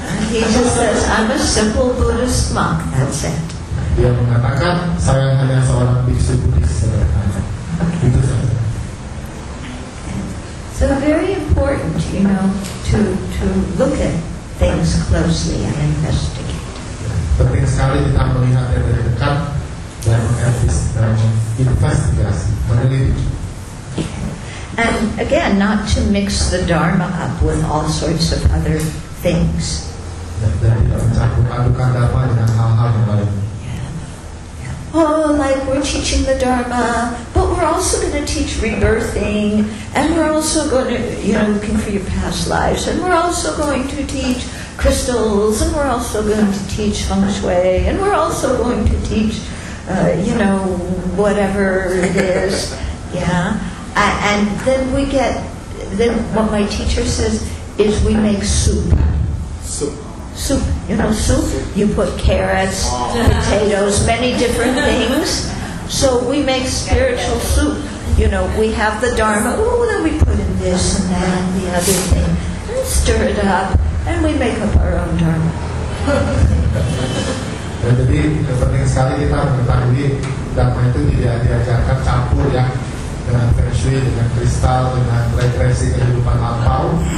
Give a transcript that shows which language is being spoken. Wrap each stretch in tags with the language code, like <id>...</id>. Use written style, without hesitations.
<en>He just says, I'm a simple Buddhist monk, that's it.</en> <id>Dia mengatakan, saya hanya seorang biksu Buddhis sederhana. Itu saja.</id> <en>So very important, you know, to look at things closely and investigate.</en> <id>Penting sekali kita melihatnya dari dekat dan menginvestigasi, meneliti.</id> <en>And again, not to mix the Dharma up with all sorts of other things.</en> <id>Dan tidak mencampur-adukkan Dharma dengan hal-hal yang lain.</id> <en>Oh, like we're teaching the Dharma, but we're also going to teach rebirthing, and we're also going to, you know, looking for your past lives, and we're also going to teach crystals, and we're also going to teach feng shui, and we're also going to teach, you know, whatever it is, yeah? And then we get, then what my teacher says is we make soup. Soup, you know, soup. You put carrots, potatoes, many different things. So we make spiritual soup. You know, we have the Dharma. Oh, then we put in this and that and the other thing, and stir it up, and we make up our own Dharma.</en> <id>Dan jadi penting sekali kita mengetahui Dharma itu tidak diajarkan campur ya dengan feng shui, dengan kristal, dengan regresi kehidupan lampau.</id>